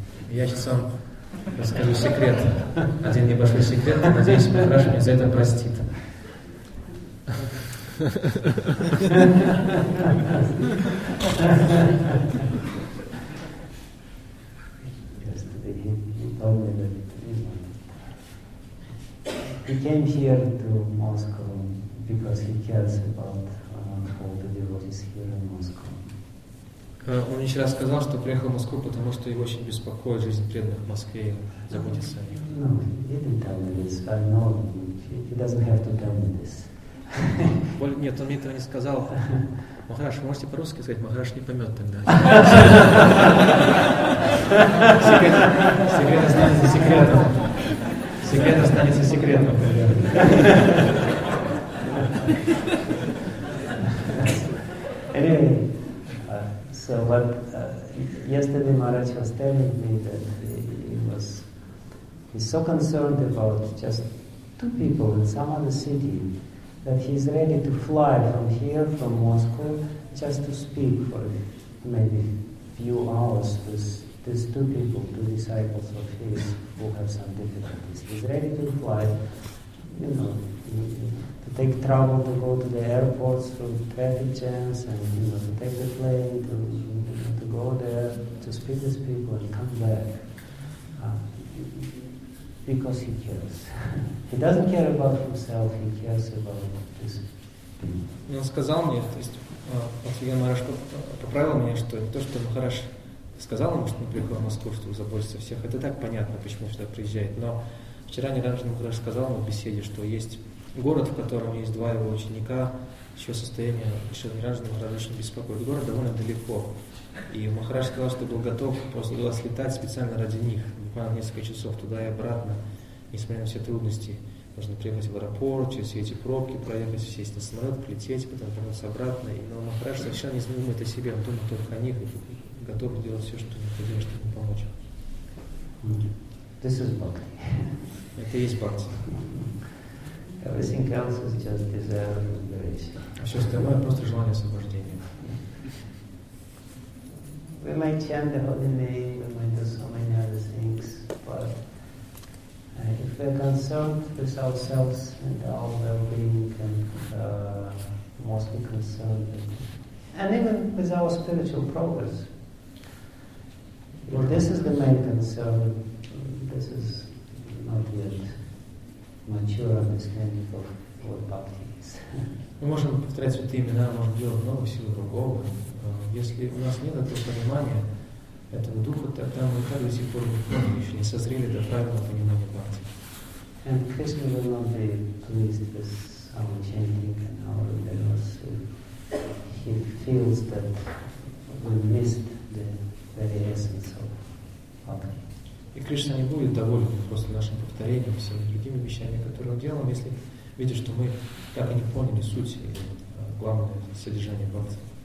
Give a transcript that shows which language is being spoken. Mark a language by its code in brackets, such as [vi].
[ru] я сейчас вам расскажу секрет, один небольшой секрет, надеюсь, Махарадж меня за это простит. [en] Yesterday he told me that he came here to Moscow because he cares about all the devotees here in Moscow. [ru] Он еще раз сказал, что приехал в Москву, потому что его очень беспокоит жизнь преданных в Москве и заботится о них. [en] No, he didn't tell me this. I know he doesn't have to tell me this. [ru] Нет, он мне этого не сказал. Махарадж, вы можете по-русски сказать? Махарадж не поймет тогда. Секрет останется секретом. Секрет останется секретом. [en] Anyway, so what yesterday Maharaj was telling me that he's so concerned about just two people in some other city, that he's ready to fly from here, from Moscow, just to speak for maybe few hours with these two people, two disciples of his who have some difficulties. He's ready to fly, you know, to take trouble to go to the airports through traffic jams and, you know, to take the plane, to go there, to speak with people and come back. Because he cares. He doesn't care about himself, he cares about this. [ru] Он сказал мне, то есть Махарадж Махарадж поправил меня, что не то, что Махарадж сказал ему, что он приехал в Москву, чтобы заботиться о всех, это так понятно, почему он сюда приезжает. Но вчера Ниранджана Махарадж сказал ему в беседе, что есть город, в котором есть два его ученика, еще состояние Ниранджана Махараджа очень беспокоит. Город довольно далеко. И Махарадж сказал, что был готов просто для вас летать специально ради них, буквально несколько часов туда и обратно. Несмотря на все трудности, нужно приехать в аэропорт, через все эти пробки проехать, сесть на самолет, полететь, потом вернуться обратно. И, но Махарадж совершенно не думает о себе, он думает только о них, и готов делать все, что необходимо, чтобы им помочь. [en] This is bhakti. [ru] Это и есть бхакти. [en] Everything else is just desire and liberation. [ru] Все остальное просто желание освобождения. [en] We might chant the holy name, we might do so many other things, but if we are concerned with ourselves and our well-being, and mostly concerned, and even with our spiritual progress, if this is the main concern, this is not yet mature understanding of what bhakti is. [ru] Мы можем повторять святые имена, можем делать много всего другого. Если у нас нет этого понимания, этого духа, тогда мы так до сих пор еще не созрели до правильного понимания бхакти. [en] And Krishna will not be pleased with our chanting and our endeavors. He feels that we missed the very essence of bhakti. [ru] И Кришна не будет доволен после нашим повторением всеми другими вещами, которые мы делаем, если видишь, что мы так и не поняли суть и главное содержание бхакти.